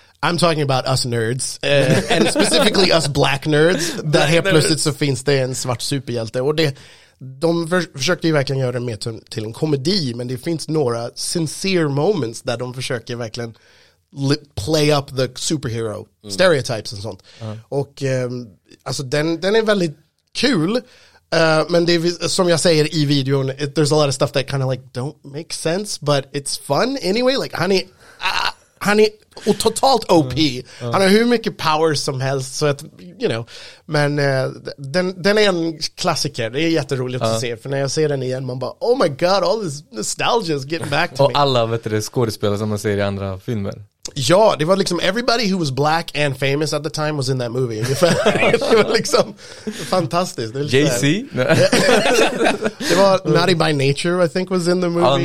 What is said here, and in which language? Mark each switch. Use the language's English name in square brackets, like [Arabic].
[English] I'm talking about us nerds, and specifically us black nerds, [Swedish] där helt plötsligt så finns det en svart superhjälte. Och de försökte ju verkligen göra det mer till en komedi, men det finns några [English] sincere moments [Swedish] där de försöker verkligen [English] play up the superhero stereotypes [Swedish] och sånt. Och alltså den är väldigt kul. Men det är, som jag säger i videon, [English] there's a lot of stuff that kind of like don't make sense, but it's fun anyway. Like honey, [Swedish] och totalt OP. Han har hur mycket power som helst, så att, [English] you know. [Swedish] Men den är en klassiker. Det är jätteroligt att se. För när jag ser den igen, man bara, [English] oh my god, all this nostalgia is getting back to [Swedish] och [English] me. [Swedish] Och alla, vet du, skådespelare som man ser i andra filmer. Ja, det var liksom [English] everybody who was black and famous at the time was in that movie. [Swedish] Det var liksom fantastiskt. Jay-Z? [English] Det var Naughty by Nature, I think, was in the movie.